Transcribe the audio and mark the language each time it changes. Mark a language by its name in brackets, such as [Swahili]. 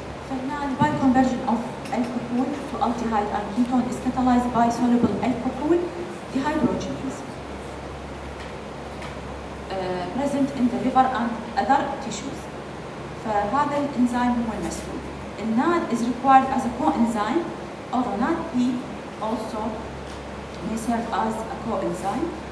[English] فهنا الباي conversion of الكحول to aldehyde and ketone is catalyzed by soluble alcohol dehydrogenase present in the liver and other tissues. [Arabic] فهذا الانزيم هو المسؤول. [English] الناد is required as a coenzyme, although NAD P also may serve as a coenzyme.